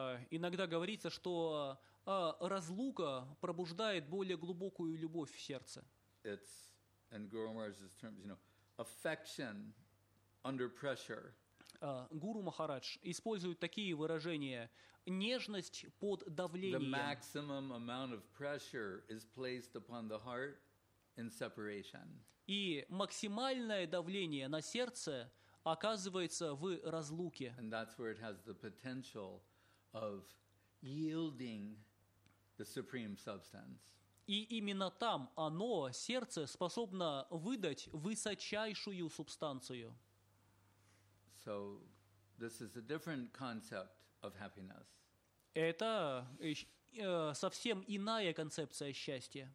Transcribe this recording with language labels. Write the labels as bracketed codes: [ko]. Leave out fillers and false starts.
[ru] Иногда говорится, что разлука пробуждает более глубокую любовь в сердце. [en] It's, in Guru Maharaj's terms, you know, affection under pressure. [ru] Гуру Махарадж использует такие выражения: нежность под давлением. [en] The maximum amount of pressure is placed upon the heart in separation. [ru] И максимальное давление на сердце оказывается в разлуке. [en] And that's where it has the potential of yielding the supreme substance. [ru] И именно там оно, сердце, способно выдать высочайшую субстанцию. [en] So this is a different concept of happiness. [ru] Это совсем иная концепция счастья.